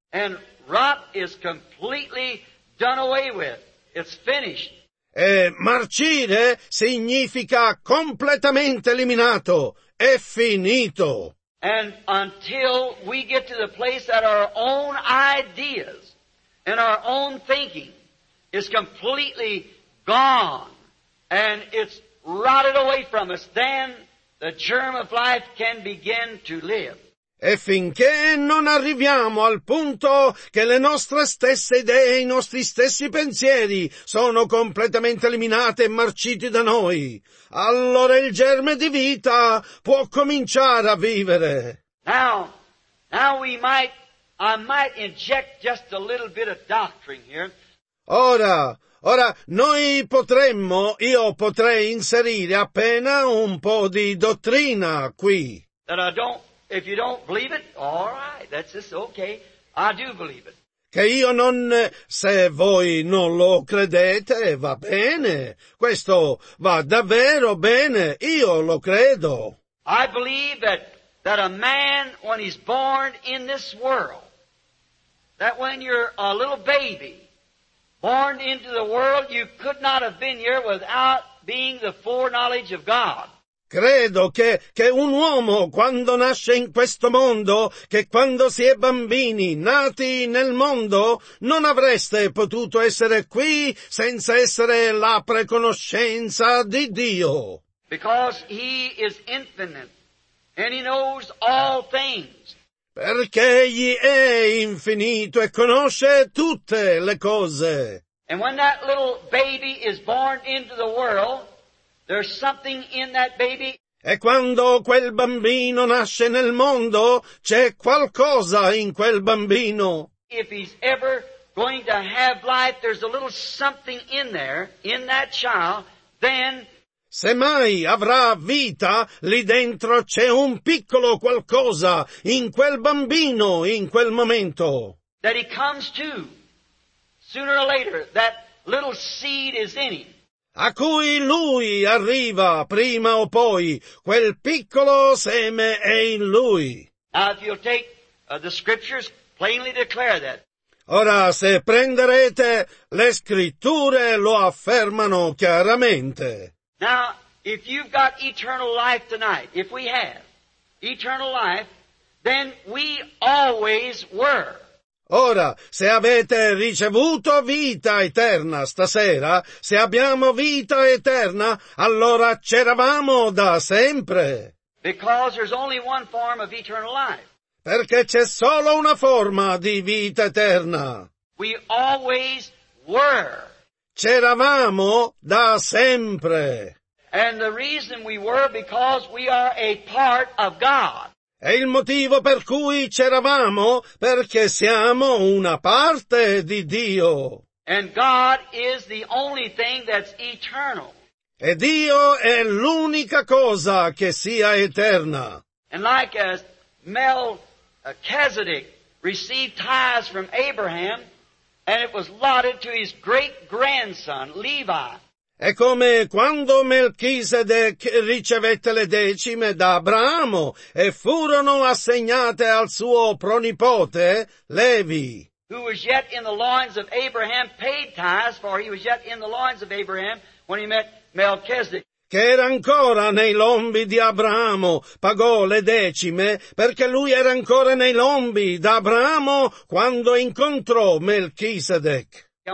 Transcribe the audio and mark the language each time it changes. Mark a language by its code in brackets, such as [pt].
[en] And rot is completely done away with. It's finished. [it] E marcire significa completamente eliminato. È finito. [en] And until we get to the place that our own ideas and our own thinking is completely gone and it's rotted away from us, then the germ of life can begin to live. [it] E finché non arriviamo al punto che le nostre stesse idee, i nostri stessi pensieri sono completamente eliminate e marciti da noi, allora il germe di vita può cominciare a vivere. [en] Now we might, I might inject just a little bit of doctrine here. [it] Ora, noi potremmo, io potrei inserire appena un po' di dottrina qui. [en] That I don't. If you don't believe it, all right, that's just okay. I do believe it. [it] Che io non, se voi non lo credete, va bene. Questo va davvero bene. Io lo credo. [en] I believe that a man, when he's born in this world, that when you're a little baby, born into the world, you could not have been here without being the foreknowledge of God. [it] Credo che un uomo quando nasce in questo mondo, che quando si è bambini nati nel mondo, non avreste potuto essere qui senza essere la preconoscenza di Dio. [en] Because he is infinite and he knows all things. [it] Perché egli è infinito e conosce tutte le cose. [en] And when that little baby is born into the world, there's something in that baby. [it] E quando quel bambino nasce nel mondo, c'è qualcosa in quel bambino. [en] If he's ever going to have life, there's a little something in there, in that child, then... [it] Se mai avrà vita, lì dentro c'è un piccolo qualcosa, in quel bambino, in quel momento. [en] That he comes to, sooner or later, that little seed is in him. [it] A cui lui arriva, prima o poi, quel piccolo seme è in lui. [en] Now if you'll take the scriptures, plainly declare that. [it] Ora, se prenderete, le scritture lo affermano chiaramente. [en] Now, if you've got eternal life tonight, if we have eternal life, then we always were. [it] Ora, se avete ricevuto vita eterna stasera, se abbiamo vita eterna, allora c'eravamo da sempre. [en] Because there's only one form of eternal life. [it] Perché c'è solo una forma di vita eterna. [en] We always were. [it] C'eravamo da sempre. [en] And the reason we were because we are a part of God. [it] E il motivo per cui c'eravamo, perché siamo una parte di Dio. [en] And God is the only thing that's eternal. [it] E Dio è l'unica cosa che sia eterna. [en] And like as Melchizedek received tithes from Abraham, and it was allotted to his great-grandson, Levi. [it] È come quando Melchisedec ricevette le decime da Abramo e furono assegnate al suo pronipote, Levi. [en] Who was yet in the loins of Abraham, paid tithes, for he was yet in the loins of Abraham when he met Melchizedek. [it] che era ancora nei lombi di Abramo, pagò le decime, perché lui era ancora nei lombi di Abramo quando incontrò Melchisedec.